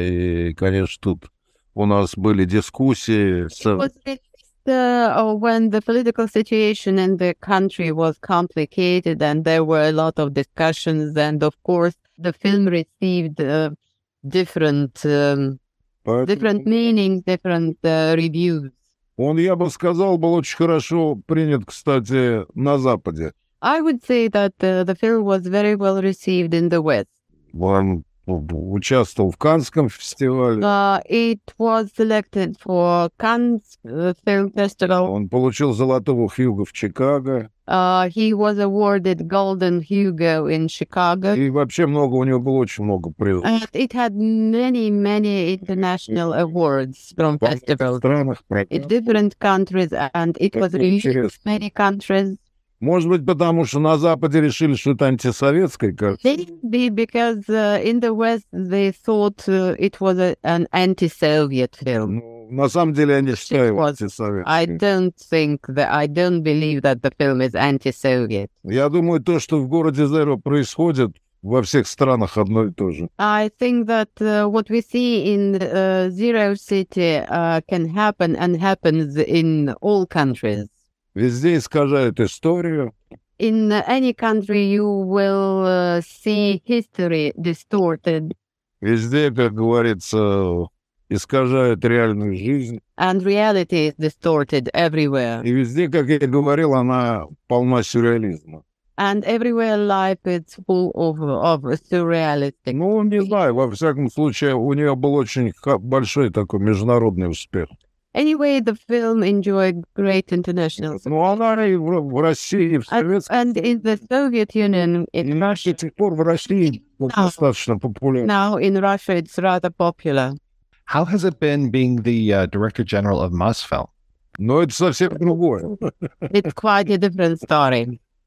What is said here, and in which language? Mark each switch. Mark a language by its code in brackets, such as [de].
[ru] И, конечно, тут у нас были дискуссии. [en] When the political situation in the country was complicated and there were a lot of discussions and, of course, the film received different... Different meaning, different reviews. [ru] Он, я бы сказал, был очень хорошо принят, кстати, на Западе. [en] I would say that the film was very well received in the West. [ru] Он участвовал в Каннском фестивале. [en] It was selected for Cannes Film Festival. [ru] Он получил Золотого Хьюго в Чикаго. [en] He was awarded Golden Hugo in Chicago. [ru] И вообще много, у него было очень много призов. [en] And it had many, many international awards from festivals. In different countries, and it was released in many countries. [ru] Может быть, потому что на Западе решили, что это антисоветская картина. [en] Maybe because in the West they thought it was an anti-Soviet film. [ru] На самом деле, я не считаю его антисоветской. [en] I don't believe that the film is anti-Soviet. [ru] Я думаю, то, что в городе Зеро происходит, во всех странах одно и то же. [en] I think that what we see in Zero City can happen and happens in all countries. [ru] Везде искажают историю. [en] In any country you will see history distorted. [ru] Везде, как говорится... Искажают реальную жизнь. [en] And reality is distorted everywhere. [ru] И везде, как я и говорил, она полна сюрреализма. [en] And everywhere life is full of surrealistic. [ru] Ну, не знаю, во всяком случае, у нее был очень большой такой международный успех. [en] Anyway, the film enjoyed great international success. [ru] Ну, она и в России, и в Советском... [en] And in the Soviet Union, in Russia... [ru] И до сих пор в России достаточно популярна. [en] Now in Russia it's rather popular. How has it been being the director general of Mosfilm? [ru] Ну, это совсем другое. [en] It's quite a different story.